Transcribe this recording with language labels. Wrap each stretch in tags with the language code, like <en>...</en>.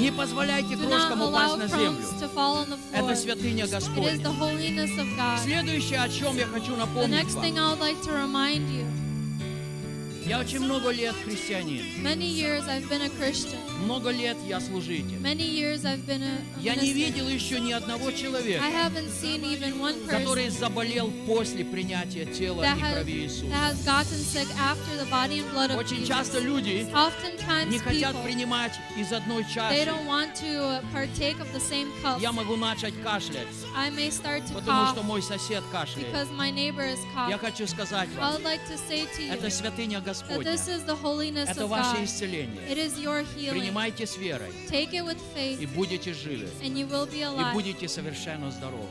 <ru>Не позволяйте крошкам упасть на землю.</ru> <en>To fall on the floor.</en> <ru>Это святыня Господня.</ru> <en>It is the holiness of God.</en> <ru>Следующее, о чем я хочу напомнить вам.</ru> <en>The next thing I would like to remind you.</en> <ru>Я очень много лет христианин.</ru> <en>Many years I've been a Christian.</en> <ru>Много лет я служитель.</ru> <en>Many years I've been a</en> <ru>Я не видел еще ни одного человека,</ru> <en>I haven't seen even one person,</en> <ru>который заболел после принятия тела и крови Иисуса.</ru> <en>That has gotten sick after the body and blood of Jesus.</en> <ru>Очень часто люди не хотят принимать из одной чаши.</ru> <en>They don't want to partake of the same cup.</en> <ru>Я могу начать кашлять.</ru> <en>I may start to</en> <ru>потому что мой сосед кашляет.</ru> <en>Because my neighbor is coughing.</en> <ru>Я хочу сказать вам,</ru> <en>I would like to say to you,</en> <ru>это святыня Господня.</ru> <en>That this is the holiness</en> <ru>это ваше исцеление.</ru> <en>It is your healing.</en> <ru>Принимайте с верой.</ru> <en>Take it with faith.</en> <ru>И будете живы.</ru> <en>And you will be alive.</en> <ru>И будете совершенно здоровы.</ru>